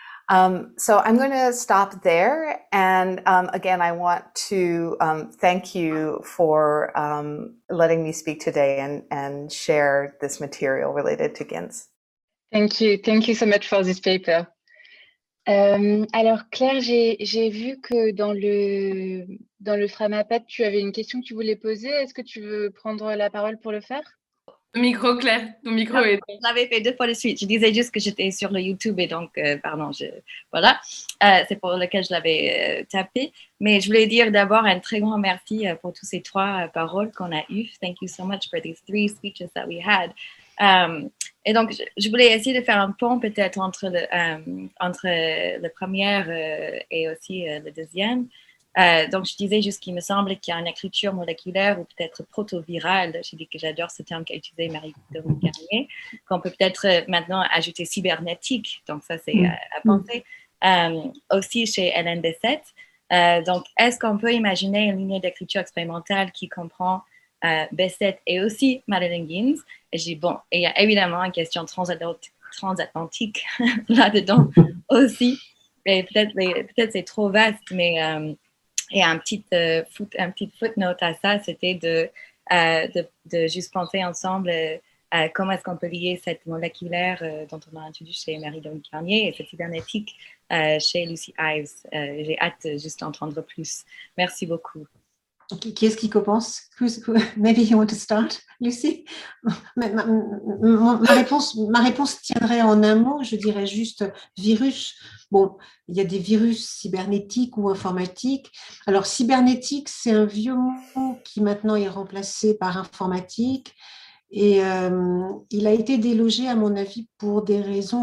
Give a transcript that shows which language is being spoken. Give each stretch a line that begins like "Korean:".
English: So I'm going to stop there. And again, I want to thank you for letting me speak today and share this material related to Ginz. Thank you. Thank you so much for this paper.
French: Alors Claire, j'ai vu que dans le Framapad, tu avais une question que tu voulais poser. Est-ce que tu veux prendre la parole pour le faire? Micro Claire, ton micro est... Je l'avais fait deux fois de suite, je disais juste que j'étais sur le YouTube et donc, pardon, c'est pour lequel je l'avais tapé. Mais je voulais dire d'abord un très grand merci pour toutes ces trois paroles qu'on a eues.
English: Thank you so much for these three speeches that we had.
French: Et donc, je voulais essayer de faire un pont peut-être entre le premier et aussi le deuxième. Donc, je disais juste qu'il me semble qu'il y a une écriture moléculaire ou peut-être proto-virale. J'ai dit que j'adore ce terme qu'a utilisé Marie-Victorine Garnier, qu'on peut peut-être maintenant ajouter cybernétique. Donc, ça, c'est à penser. Aussi chez Hélène Bessette. Donc, est-ce qu'on peut imaginer une ligne d'écriture expérimentale qui comprend Bessette et aussi Madeleine Ginz? Et je dis, bon, et il y a évidemment une question transatlantique là-dedans aussi. Et peut-être c'est trop vaste, mais et un petit footnote à ça, c'était de juste penser ensemble comment est-ce qu'on peut lier cette moléculaire dont on a introduit chez Marie-Dominique Garnier et cette cybernétique chez Lucy Ives. J'ai hâte juste d'entendre plus. Merci beaucoup. Qui est-ce qui commence?
English: Maybe you want to start, Lucy?
French: Ma réponse tiendrait en un mot, je dirais juste virus. Bon, il y a des virus cybernétiques ou informatiques. Alors, cybernétique, c'est un vieux mot qui maintenant est remplacé par informatique. Et il a été délogé, à mon avis, pour des raisons.